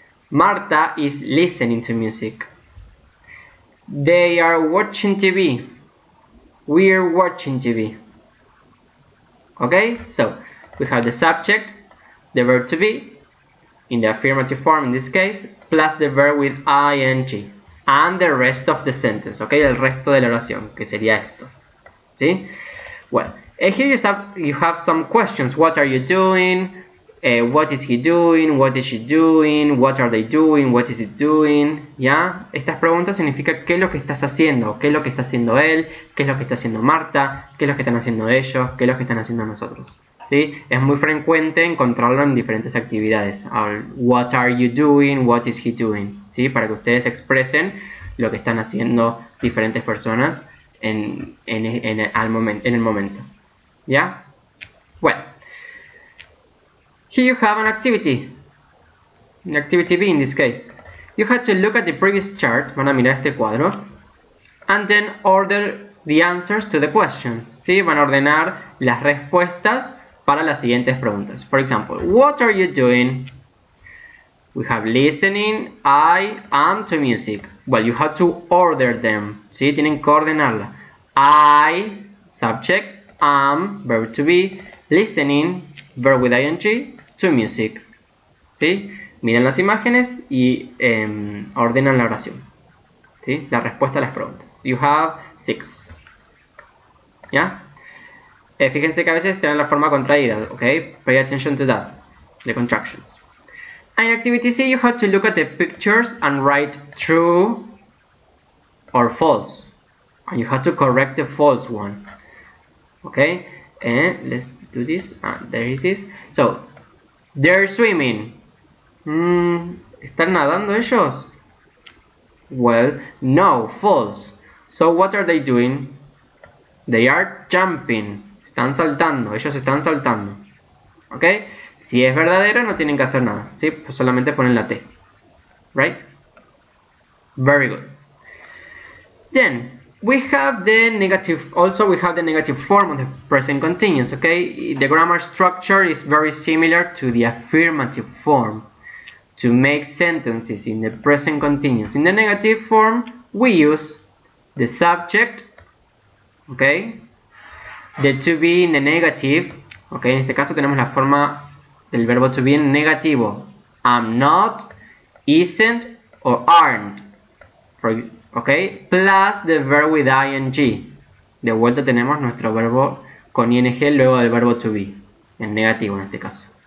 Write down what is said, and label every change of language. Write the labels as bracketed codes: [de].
[en] Marta is listening to music. They are watching TV. We're watching TV. Okay? So, we have the subject, the verb to be, in the affirmative form in this case, plus the verb with ing. And the rest of the sentence. Okay? [es] El resto de la oración, que sería esto. [en] ¿Sí? Well, and here you have some questions. What are you doing? What is he doing? What is she doing? What are they doing? What is he doing? ¿Ya? [es] Estas preguntas significan qué es lo que estás haciendo. ¿Qué es lo que está haciendo él? ¿Qué es lo que está haciendo Marta? ¿Qué es lo que están haciendo ellos? ¿Qué es lo que están haciendo nosotros? ¿Sí? Es muy frecuente encontrarlo en diferentes actividades. [en] What are you doing? What is he doing? ¿Sí? [es] Para que ustedes expresen lo que están haciendo diferentes personas en el momento. [en] Yeah? Well, here you have an activity B in this case. You have to look at the previous chart, [es] van a mirar este cuadro, [en] and then order the answers to the questions. [es] ¿Sí? Van a ordenar las respuestas para las siguientes preguntas. [en] For example, what are you doing? We have listening, I am to music. Well, you have to order them. [es] ¿Sí? Tienen que ordenarla. [en] I, subject, am, verb to be, listening, verb with ing, to music. ¿Sí? [es] Miren las imágenes y ordenan la oración. ¿Sí? La respuesta a las preguntas. [en] You have 6. ¿Ya? [es] Fíjense que a veces tienen la forma contraída, ¿ok? [en] Pay attention to that, the contractions. In activity C, you have to look at the pictures and write true or false. And you have to correct the false one. Okay? And let's do this. There it is. So, they're swimming. [es] ¿Están nadando ellos? [en] Well, no, false. So, what are they doing? They are jumping. [es] Están saltando. Ellos están saltando. Okay? Si es verdadero, no tienen que hacer nada, ¿sí? Pues solamente ponen la T. [en] Right? Very good. Then, we have the negative, also we have the negative form of the present continuous, okay? The grammar structure is very similar to the affirmative form. To make sentences in the present continuous. In the negative form, we use the subject, okay? The to be in the negative, okay? [es] En este caso tenemos la forma del verbo to be en negativo. [en] I'm not, isn't, or aren't. Okay, plus the verb with ing. [es] De vuelta tenemos nuestro verbo con ing luego del verbo to be, en negativo en este caso.